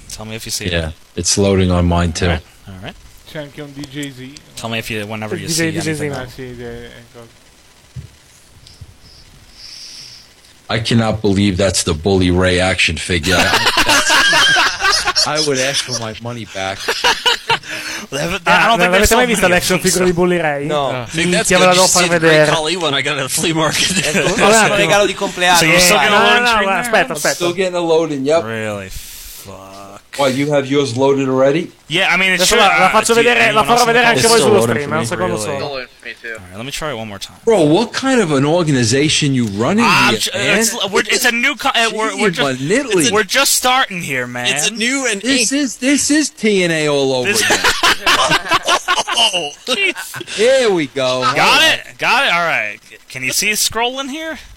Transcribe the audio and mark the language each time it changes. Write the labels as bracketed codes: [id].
[en] Tell me if you see it. Yeah, it's loading on mine too. All right. [it] C'è anche un DJZ. [en] Tell me whenever you see DJZ anything. I cannot believe that's the Bully Ray action figure. I would ask for my money back. [it] Non avete mai visto l'action figure di Bully Ray? [en] No. [it] Ti avevo da far vedere. [en] When I got a flea market. [it] Un regalo di compleanno. [en] So you're still getting a load in there? [it] Aspetta. [en] Still getting a load in, yep. Really? Fuck. Well, you have yours loaded already? Yeah, I mean, it's [it] la, la faccio vedere, la farò vedere anche voi sullo stream, un secondo solo. [en] All right, let me try it one more time. Bro, what kind of an organization you running here, man? It's a new... we're just starting here, man. It's a new... and This is TNA all over again. Here we go. Got it? All right. Can you see it scrolling here?